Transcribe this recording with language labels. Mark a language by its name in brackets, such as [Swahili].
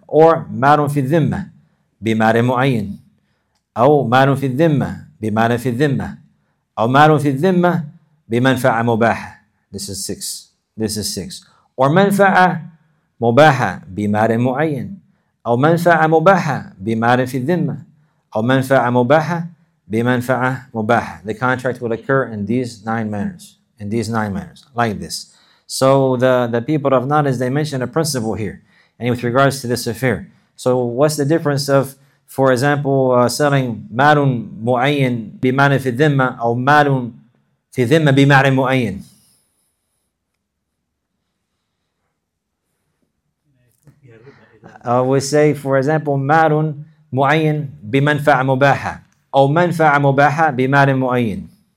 [Arabic] Or مال في الذمة بمال معين. أو مال في الذمة بمال في الذمة. أو مال في الذمة بمنفع مباحة. [English] This is six. [Arabic] Or منفع مباحة بمال معين. أو منفع مباحة بمال في الذمة. أو منفع مباحة بمنفع مباحة. [English] The contract will occur in these nine manners. Like this. So the people of knowledge, they mention a principle here, and with regards to this affair. So what's the difference of, for example, selling [Arabic] مَالٌ مُعَيِّن بِمَالٍ فِي الذِّمَّةِ أَوْ مَالٌ فِي الذِّمَّةِ بِمَالٍ مُعَيِّن? [English] We say, for example, [Arabic] مَالٌ مُعَيِّن بِمَنْفَعٍ مُبَاحَةٍ أَوْ مَنْفَعٍ مُبَاحَةٍ بِمَالٍ مُعَيِّن.